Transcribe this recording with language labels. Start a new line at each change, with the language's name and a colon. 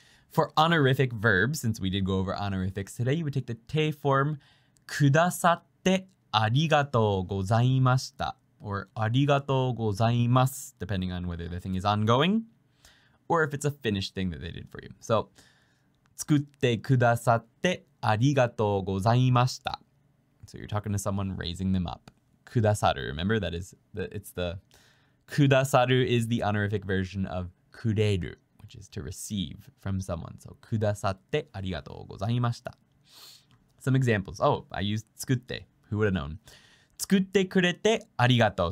English: For honorific verbs, since we did go over honorifics today, you would take the te form,
Japanese: kudasatte arigatou gozaimashita,
English: or
Japanese: arigatou gozaimasu,
English: depending on whether the thing is ongoing, or if it's a finished thing that they did for you. So...
Japanese: 作ってくださってありがとうございました。
English: So you're talking to someone raising them up. くださる, remember? That is, the, it's the... くださる is the honorific version of くれる, which which is to receive from someone. So,
Japanese: kudasatte arigatou gozaimashita.
English: Some examples. Oh, I used tsukutte. Who would have known?
Japanese: Tsukutte kurete arigatou.